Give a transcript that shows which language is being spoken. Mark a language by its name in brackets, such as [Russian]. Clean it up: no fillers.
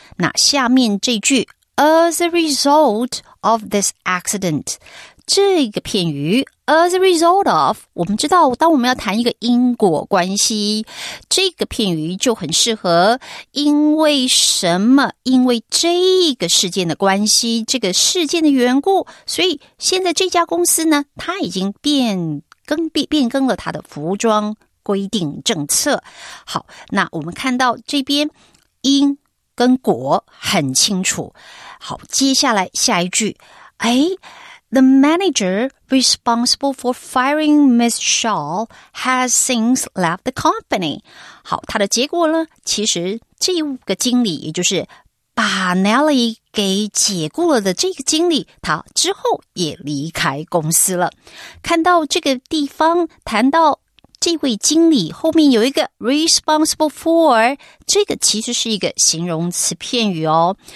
[Chinese] 那下面这句 [English] As a result of this accident， [Chinese] 这个片语 [English] As a result of， [Chinese] 我们知道当我们要谈一个因果关系，这个片语就很适合因为什么，因为这个事件的关系，这个事件的缘故，所以现在这家公司呢，它已经变更了它的服装规定政策。好，那我们看到这边因跟果很清楚。好，接下来下一句，哎， [English] The manager responsible for firing Ms. Shaw has since left the company. [Chinese] 好，他的结果呢，其实这个经理，也就是把 Nelly 给解雇了的这个经理，他之后也离开公司了。看到这个地方谈到这位经理后面有一个 [English] responsible for， [Chinese] 这个其实是一个形容词片语哦。